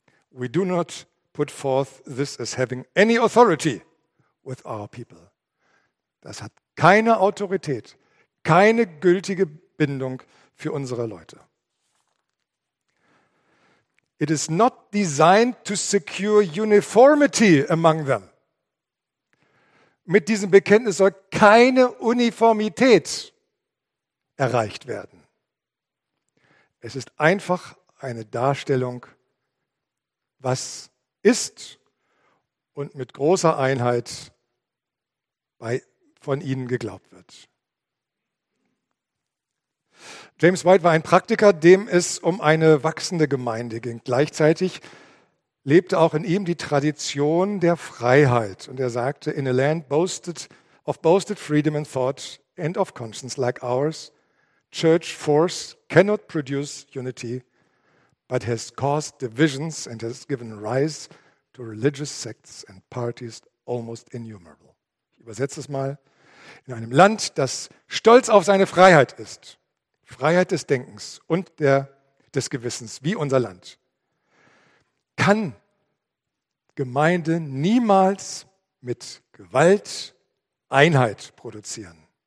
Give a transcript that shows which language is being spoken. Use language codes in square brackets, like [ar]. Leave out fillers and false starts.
[en] We do not put forth this as having any authority with our people. [de] Das hat keine Autorität, keine gültige Bindung für unsere Leute. [en] It is not designed to secure uniformity among them. [de] Mit diesem Bekenntnis soll keine Uniformität erreicht werden. Es ist einfach eine Darstellung, was ist und mit großer Einheit von ihnen geglaubt wird. James White war ein Praktiker, dem es um eine wachsende Gemeinde ging. Gleichzeitig lebte auch in ihm die Tradition der Freiheit. [en] Und er sagte, in a land boasted freedom in thought and of conscience like ours, church force cannot produce unity, but has caused divisions and has given rise to religious sects and parties almost innumerable. [de] Ich übersetze es mal. In einem Land, das stolz auf seine Freiheit ist, Freiheit des Denkens und des Gewissens, wie unser Land, kann Gemeinde niemals mit Gewalt Einheit produzieren.